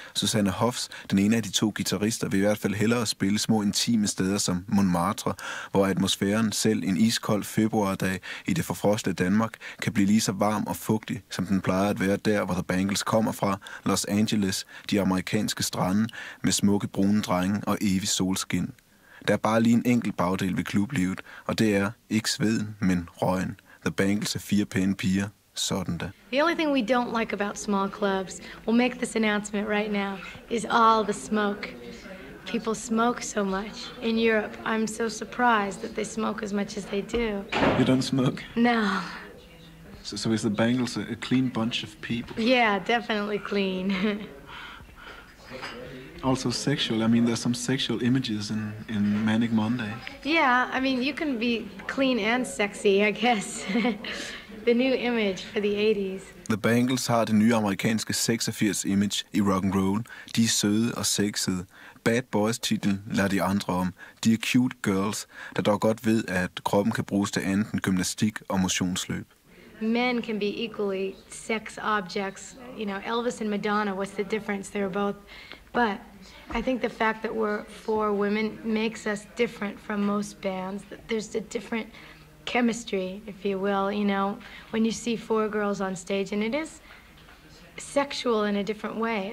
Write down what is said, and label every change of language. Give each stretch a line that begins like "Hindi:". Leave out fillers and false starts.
Danish: Susanna Hoffs, den ene af de to guitarister, vil i hvert fald hellere spille små intime steder som Montmartre, hvor atmosfæren selv en iskold februardag i det forfrostede Danmark kan blive lige så varm og fugtig, som den plejer at være der, hvor The Bangles kommer fra, Los Angeles, de amerikanske strande med smukke brune drenge og evig solskin. Der er bare lige en enkelt bagdel ved klublivet, og det er ikke sveden, men røgen. The Bangles er fire pæne piger, sådan da.
English: The only thing we don't like about small clubs, we'll make this announcement right now, is all the smoke. People smoke so much in Europe. I'm so surprised that they smoke as much as they do. You don't smoke? No. So is the Bangles a clean bunch of people? Yeah, definitely clean. Also sexual. I mean, there's some sexual images in Manic Monday. Yeah, I mean, you can be clean and sexy, I guess. The new image for the 80s.
Danish: The Bangles har det nye amerikanske 86 image i rock and roll. De er søde og sexede. Bad Boys-titlen lader de andre om. De er
English: cute girls,
Danish: der dog godt ved, at kroppen kan bruges til andet end gymnastik og motionsløb.
English: Men can be equally sex objects. You know, Elvis and Madonna, what's the difference? They're both. But I think the fact that we're four women makes us different from most bands. There's a different chemistry, if you will, you know, when you see four girls on stage, and it is sexual in a different way.